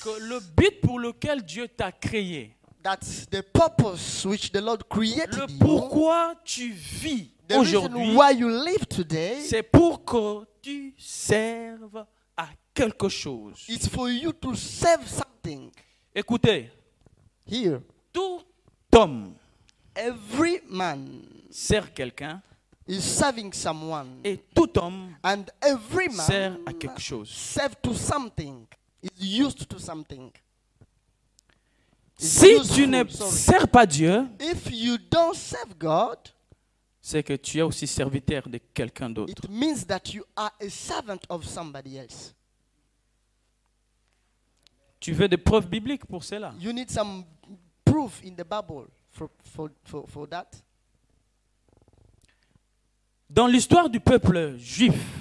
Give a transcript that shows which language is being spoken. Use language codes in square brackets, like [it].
[fr] que le but pour lequel Dieu t'a créé, [en] that the purpose which the Lord created [fr] le pourquoi [en] you, [fr] tu vis [en] the [fr] aujourd'hui, [en] reason why you live today, [fr] c'est pour que tu serves à quelque chose. [en] It's for you to serve something. [fr] Écoutez, [en] here, [fr] tout homme [en] every man [fr] sert quelqu'un. [en] Is serving someone. [fr] Et tout homme [en] and every man [fr] sert à quelque chose. [en] Serve to something. Is used to something. [fr] Si tu ne sers pas Dieu, [en] if you don't serve God, [fr] c'est que tu es aussi serviteur de quelqu'un d'autre. [en] It means that you are a servant of somebody else. [fr] Tu veux des preuves bibliques pour cela? [en] You need some proof in the Bible for that. [fr] Dans l'histoire du peuple juif,